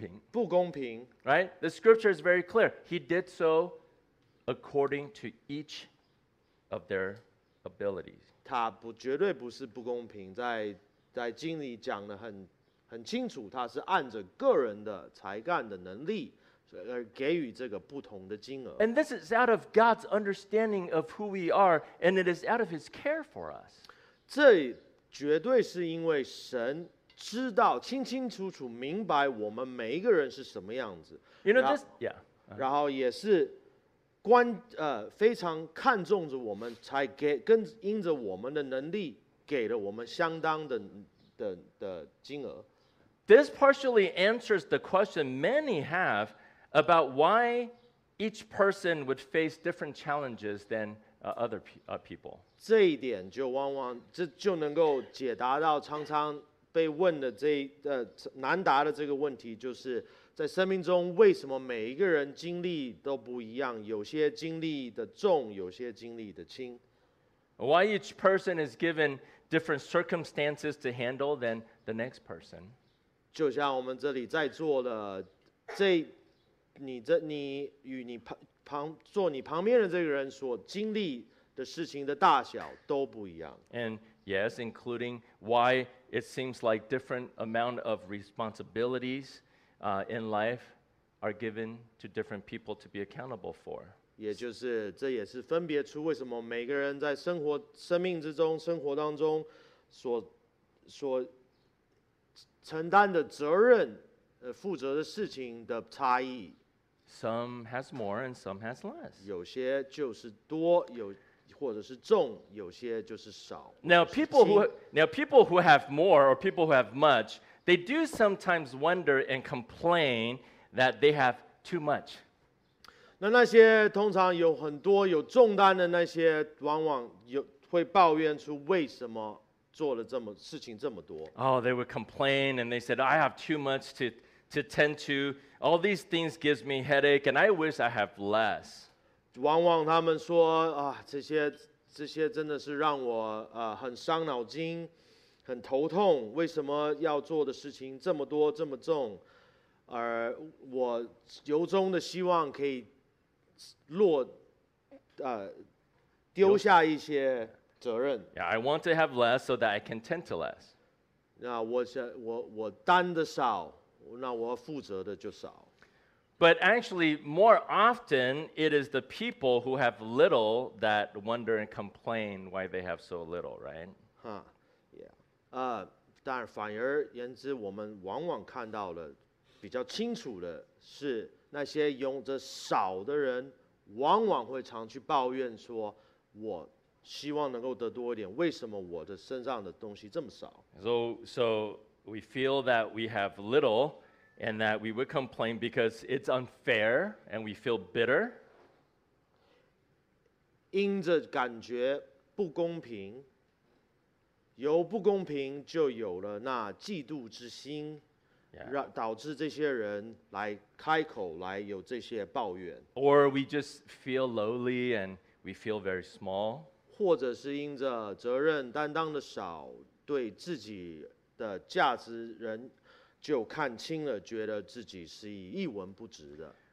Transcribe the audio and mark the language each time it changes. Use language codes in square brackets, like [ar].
[zh] 不公平 [en] right the scripture is very clear he did so according to each of their abilities [zh] 他不绝对不是不公平在经里讲得很清楚他是按着个人的才干的能力给予这个不同的金额。 [en] And this is out of God's understanding of who we are, and it is out of His care for us. [zh] 这绝对是因为神知道清清楚楚明白我们每一个人是什么样子。 [en] You know this? Yeah. [zh] 然后也是关非常看重着我们，才给跟因着我们的能力给了我们相当的的金额。 [en] This partially answers the question many have about why each person would face different challenges than other people. [zh] 这一点就往往这就能够解答到常常被问的这难答的这个问题，就是在生命中为什么每一个人经历都不一样，有些经历的重，有些经历的轻。 [en] Why each person is given different circumstances to handle than the next person. [zh] 就像我们这里在座的这你与你坐你旁边的这个人所经历的事情的大小都不一样。 [en] And yes, including why it seems like different amount of responsibilities in life are given to different people to be accountable for. [zh] 也就是这也是分别出为什么每个人在生命之中生活当中所承担的责任负责的事情的差异。 [en] Some has more and some has less. [zh] 有些就是多，有或者是重，有些就是少。 [en] Now people who have more or people who have much, they do sometimes wonder and complain that they have too much. [zh] 那些通常有很多有重担的那些，往往会抱怨出为什么做了这么事情这么多。 [en] Oh, they would complain and they said, "I have too much to tend to. All these things gives me headache, and I wish I have less." [zh] 往往他们说啊，这些真的是让我很伤脑筋，很头痛。为什么要做的事情这么多这么重？而我由衷的希望可以丢下一些责任。 [en] Yeah, I want to have less so that I can tend to less. [zh] 那我担的少。那我负责的就少。 [en] But actually, more often, it is the people who have little that wonder and complain why they have so little, right? Huh, yeah. [zh] 但反而言之，我们往往看到的比较清楚的是，那些拥着少的人，往往会常去抱怨说，我希望能够得多一点，为什么我的身上的东西这么少？ [en] So,we feel that we have little and that we would complain because it's unfair and we feel bitter. [zh] 因着感觉不公平，有不公平就有了那嫉妒之心，导致这些人来开口来有这些抱怨。 [en] Or we just feel lowly and we feel very small. [zh] 或者是因着责任担当的少，对自己的价值人就看清了，觉得自己是一文不值的。